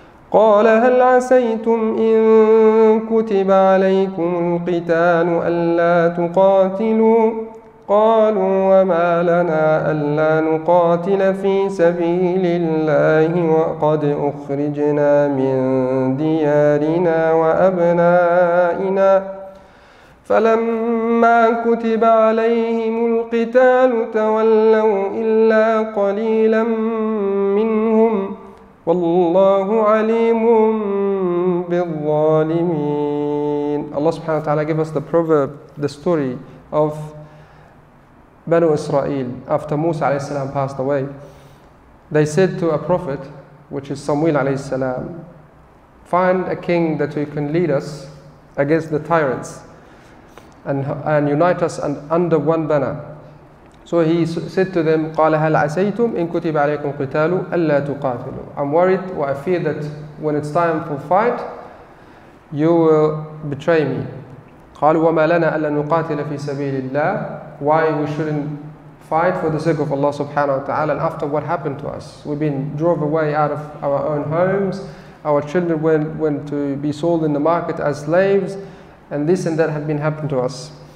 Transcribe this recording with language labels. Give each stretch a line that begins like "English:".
Arabic: قال هل عسيتم إن كتب عليكم القتال ألا تقاتلوا قالوا وما لنا ألا نقاتل في سبيل الله وقد أخرجنا من ديارنا وأبنائنا فلما كتب عليهم القتال تولوا إلا قليلا منهم والله عليم بالظالمين.
English: Allah subhanahu wa ta'ala gave us the proverb, the story of Banu Israel, after Musa alayhi salam passed away, they said to a prophet, which is Samuel alayhi salam, find a king that you can lead us against the tyrants and unite us under one banner. So he said to them,
Arabic: قَالَ هَلْ عَسَيْتُمْ إِن كُتِبَ عَلَيْكُمْ قِتَالُ أَلَّا تُقَاتِلُوا.
English: I'm worried, or I fear that when it's time for fight, you will betray me.
Arabic: قَالُوا وَمَا لَنَا أَلَّا نُقَاتِلَ فِي سَبِيلِ اللَّهِ.
English: Why we shouldn't fight for the sake of Allah subhanahu wa ta'ala, and after what happened to us. We've been drove away out of our own homes, our children went to be sold in the market as slaves, and this and that had been happened to us.